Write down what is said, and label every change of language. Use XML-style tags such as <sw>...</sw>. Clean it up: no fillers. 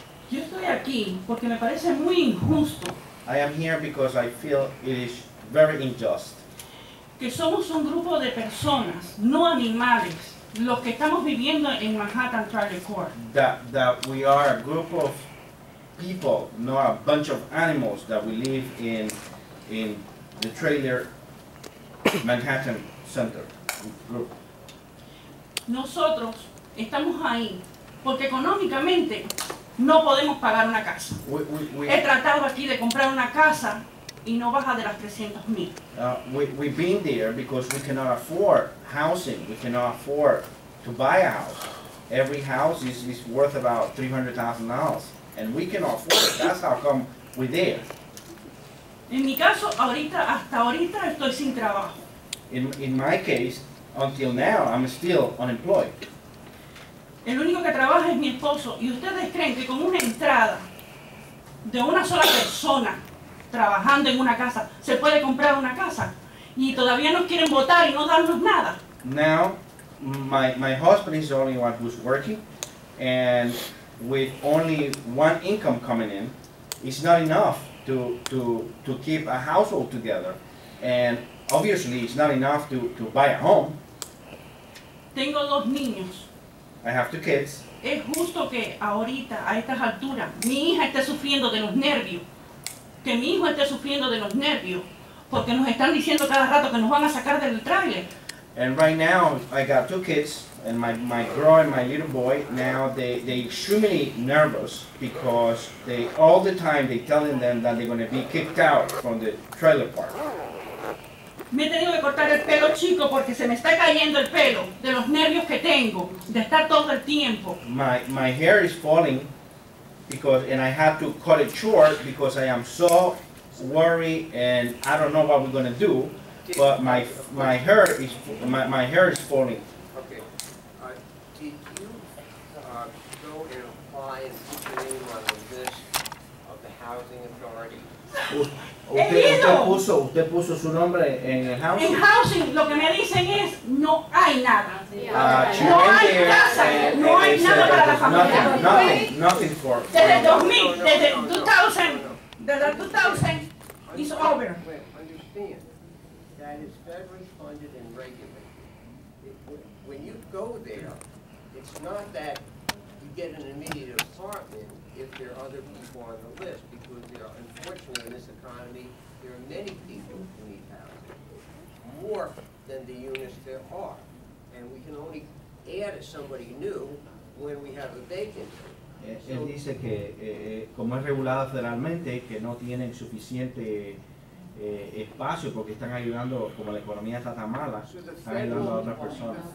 <es>Yo estoy aquí porque me parece muy injusto.</es> <en>I am here because I feel it is very unjust.</en> <es>Que somos un grupo de personas, no animales, los que estamos viviendo en Manhattan Trailer Court.</es> <en>That we are a group of people, not a bunch of animals, that we live in the trailer Manhattan Center group.</en> <es>Nosotros estamos ahí porque económicamente no podemos pagar una casa.</es> <en>We</en> <es>he tratado aquí de comprar una casa y no baja de las 300,000.</es> <en>We've been there because we cannot afford housing. We cannot afford to buy a house. Every house is worth about $300,000. And we cannot afford it. That's how come we're there.</en> <es>En mi caso, hasta ahorita estoy sin trabajo.</es> <en>In my case, until now, I'm still unemployed.</en> <es>El único que trabaja es mi esposo. Y ustedes creen que con una entrada de una sola persona trabajando en una casa, se puede comprar una casa. Y todavía nos quieren botar y no darnos nada.</es> <en>Now, my husband is the only one who's working, and with only one income coming in, it's not enough to keep a household together. And obviously, it's not enough to buy a home.</en> <es>Tengo dos niños.</es> <en>I have two kids.</en> <es>Es justo que ahorita, a estas alturas, mi hija esté sufriendo de los nervios. Que mi hijo esté sufriendo de los nervios, porque nos están diciendo cada rato que nos van a sacar del trailer.</es> <en>And right now, I got two kids, and my girl and my little boy, now they're extremely nervous, because they all the time they're telling them that they're going to be kicked out from the trailer park.</en> <es>Me he tenido que cortar el pelo chico porque se me está cayendo el pelo de los nervios que tengo, de estar todo el tiempo.</es> <en>My hair is falling. And I have to cut it short because I am so worried and I don't know what we're going to do, but my hair is falling. Okay. Did you go and apply and put your name on the list of the housing authority?</en> <es>Usted puso su nombre en el housing. En housing, lo que me dicen es, no hay nada. No hay casa, no hay nada para la familia.</es> <en>Nothing for</en> <es>desde 2000, desde, tú estás</es> <en>The 2000 is over. Understand, that is federally funded and regulated. When you go there, it's not that you get an immediate apartment if there are other people on the list, because there are, unfortunately, in this economy, there are many people who need housing, more than the units there are. And we can only add somebody new when we have a vacancy.</en> <es>Él dice que como es regulada federalmente, que no tienen suficiente espacio porque están ayudando, como la economía está tan mala, están ayudando a otras personas.</es>